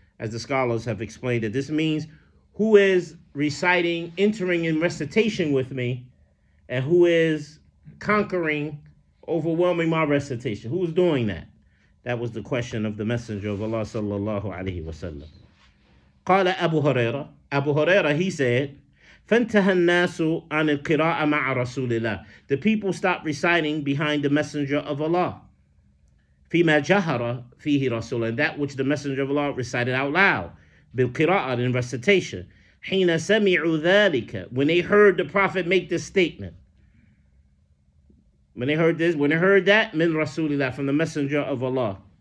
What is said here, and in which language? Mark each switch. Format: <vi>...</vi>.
<en>As the scholars have explained it, this means who is reciting, entering in recitation with me, and who is conquering, overwhelming my recitation? Who is doing that? That was the question of the Messenger of Allah sallallahu alayhi wa sallam.</en> <ar>Qala Abu Huraira. Abu Huraira,</ar> <en>he said,</en> <ar>فَانْتَهَ النَّاسُ عَنِ الْقِرَاءَ مَعَ رَسُولِ اللَّهِ.</ar> <en>The people stopped reciting behind the Messenger of Allah.</en> <ar>فِيمَا جَهَرَ فِيهِ رَسُولَ.</ar> <en>And that which the Messenger of Allah recited out loud.</en> <ar>بِالْقِرَاءَ,</ar> <en>in recitation.</en> <ar>حِينَ سَمِعُوا ذَلِكَ.</ar> <en>When they heard the Prophet make this statement. When they heard this, when they heard that,</en> <ar>min Rasulillah,</ar> <en>from the Messenger of Allah.</en>